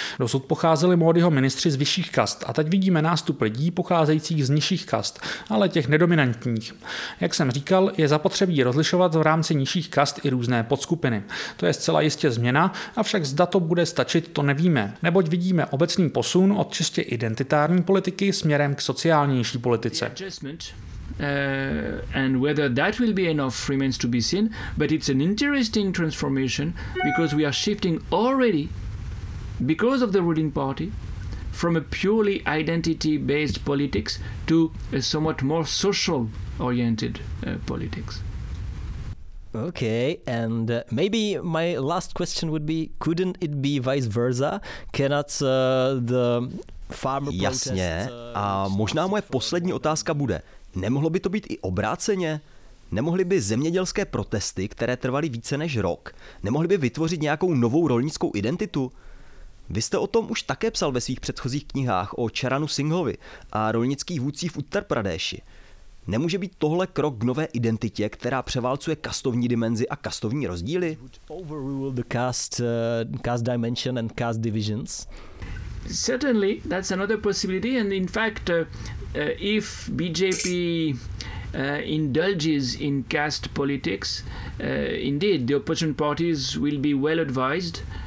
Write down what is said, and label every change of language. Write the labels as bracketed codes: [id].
[cs] Dosud pocházeli Modiho ministři z vyšších kast a teď vidíme nástup lidí pocházejících z nižších kast, ale těch nedominantních. Jak jsem říkal, je zapotřebí rozlišovat v rámci nižších kast i různé podskupiny. To je zcela jistě změna, avšak zda to bude stačit, to nevíme, neboť vidíme obecný posun od čistě identitární politiky směrem k sociálnější politice. [en] And whether that will be enough remains to be seen, but it's an interesting transformation because we are shifting already because of the ruling party from a purely identity-based politics to a somewhat more social-oriented politics. Okay, and maybe my last question would be, couldn't it be vice versa? Cannot the farmer protest... [cs] Jasně, a možná moje poslední otázka bude, nemohlo by to být i obráceně? Nemohly by zemědělské protesty, které trvaly více než rok, nemohly by vytvořit nějakou novou rolnickou identitu? Vy jste o tom už také psal ve svých předchozích knihách o Charanu Singhovi a rolnických vůdcích v Uttar Pradeshi. Nemůže být tohle krok k nové identitě, která převálcuje kastovní dimenzi a kastovní rozdíly? [en] Overrule the caste dimension and caste divisions. Certainly, that's another possibility, and in fact, if BJP indulges in caste politics, indeed the opposition parties will be well advised.